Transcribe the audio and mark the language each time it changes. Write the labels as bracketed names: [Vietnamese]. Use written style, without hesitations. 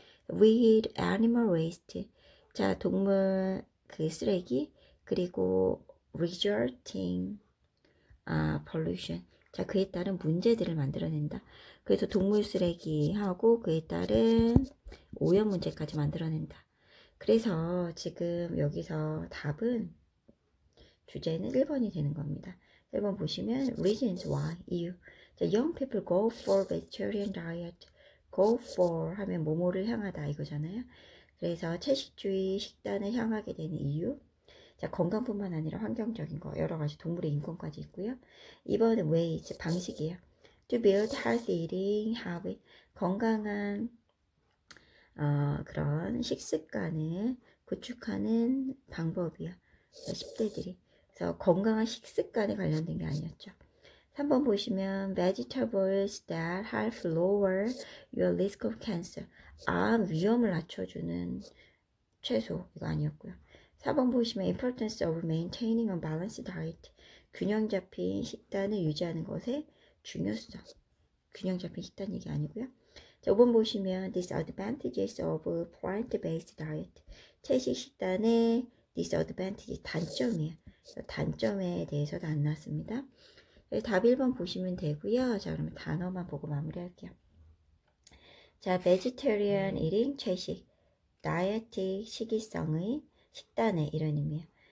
[English] with animal waste, [Korean] 자, 동물 그 쓰레기, 그리고 [English] resulting, pollution, [Korean] 자, 그에 따른 문제들을 만들어낸다. 그래서 동물 쓰레기하고 그에 따른 오염 문제까지 만들어낸다. 그래서 지금 여기서 답은 주제는 1번이 되는 겁니다. 1번 보시면 [English] reasons why, [Korean] 이유. [English] The young people go for vegetarian diet. [Korean] go for 하면 뭐뭐를 향하다 이거잖아요. 그래서 채식주의 식단을 향하게 되는 이유. 자, 건강뿐만 아니라 환경적인 거, 여러 가지 동물의 인권까지 있고요. 2번은 ways, 방식이에요. [English] To build healthy eating habit, [Korean] 건강한 그런 식습관을 구축하는 방법이요. 10대들이. 그래서 건강한 식습관에 관련된 게 아니었죠. [English] 3번 보시면 vegetables that help lower your risk of cancer. [Korean] 암 위험을 낮춰주는 채소. [English] 이거 아니었고요. 4번 보시면 importance of maintaining a balanced diet. [Korean] 균형 잡힌 식단을 유지하는 것의 중요성. 균형 잡힌 식단 얘기 아니고요. [English] 자, 5번 보시면 disadvantages of plant-based diet. [Korean] 채식 식단의 disadvantages, 단점이에요. 단점에 대해서도 안 나왔습니다. 답 1번 보시면 되고요. 자, 그러면 단어만 보고 마무리할게요. 자, [English] vegetarian eating, [Korean] 채식, dietic, 식이성의, 식단의 이런 의미예요.